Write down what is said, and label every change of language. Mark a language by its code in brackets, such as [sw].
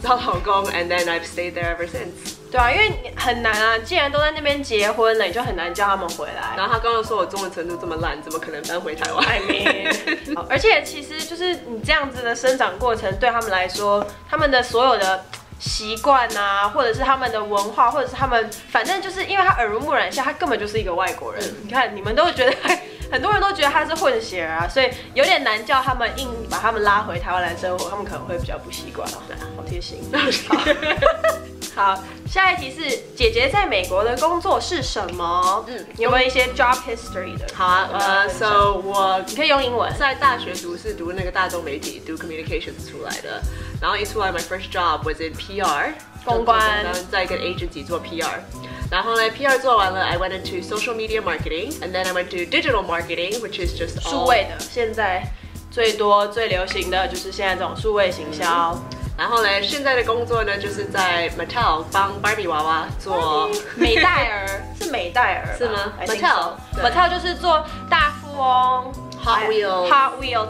[zh] 找老公 [en] ，and then I've stayed there ever since。 [zh] 对啊，因为很难啊，既然都在那边结婚了，你就很难叫他们回来。然后他刚刚说我中文程度这么烂，怎么可能搬回台湾？ [en] I mean， [zh] 而且其实就是你这样子的生长过程，对他们来说，他们的所有的。习惯啊，或者是他们的文化，或者是他们，反正就是因为他耳濡目染下，他根本就是一个外国人。你看，你们都觉得，很多人都觉得他是混血儿啊，所以有点难叫他们硬把他们拉回台湾来生活，他们可能会比较不习惯。对，好贴心。好，下一题是姐姐在美国的工作是什么？有没有一些 job history 的？好啊，so 我你可以用英文。在大学读是读那个大众媒体，读 communications 出来的。然后一出来 [en] ，my first job was in PR， [zh] 公关，在一个 agency 做 PR。然后呢， PR 做完了 [en] ，I went into social media marketing， and then I went to digital marketing， which is just all [zh] 数位的。现在最多最流行的就是现在这种数位行销。然后呢，现在的工作呢，就是在 Mattel 帮 Barbie 娃娃做美戴尔，是美戴尔是吗？Mattel 就是做大富翁。 [en] Hot Wheels